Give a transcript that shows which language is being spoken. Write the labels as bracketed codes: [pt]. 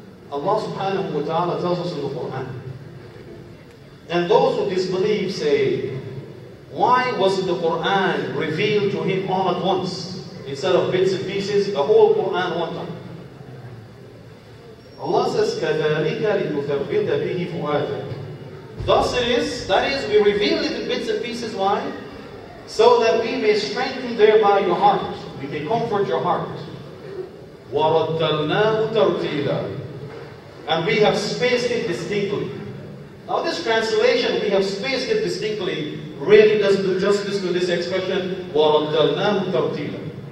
[en] Allah subhanahu wa ta'ala tells us in the Qur'an, and those who disbelieve say, why wasn't the Qur'an revealed to him all at once, instead of bits and pieces, the whole Qur'an one time? Allah says, [ar] كَذَلِكَ لِتُثَبِّتَ بِهِ فُؤَادَكَ. [en] Thus it is, that is, we reveal it in bits and pieces, why? So that we may strengthen thereby your heart, we may comfort your heart. [ar] وَرَتَّلْنَاهُ تَرْتِيلًا. [en] And we have spaced it distinctly. Now this translation, we have spaced it distinctly, really doesn't do justice to this expression, [ar] وَرَتَّلْنَاهُ تَرْتِيلًا.